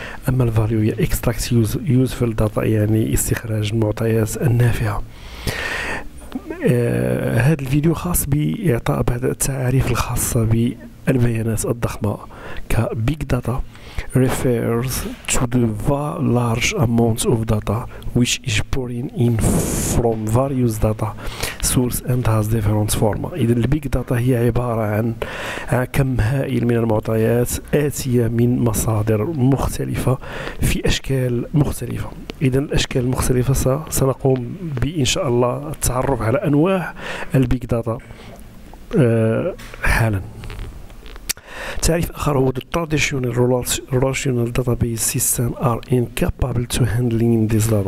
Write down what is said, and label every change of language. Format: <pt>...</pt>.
<ar>أما الفاليو هي إكستراكت يوزفل داتا، يعني استخراج المعطيات النافعة. هذا الفيديو خاص بإعطاء بعض التعاريف الخاصة بالبيانات الضخمة كبيج داتا.</ar> <en>Refers to the large amounts of data which is pouring in from various data sources and has different forms.</en> <ar>إذن البيج داتا هي عبارة عن كم هائل من المعطيات آتية من مصادر مختلفة في أشكال مختلفة. إذن الأشكال المختلفة سنقوم بإن شاء الله التعرف على أنواع البيج داتا حالا. تعريف آخر هو</ar> <en>the traditional relational database system are incapable to handling this data.</en>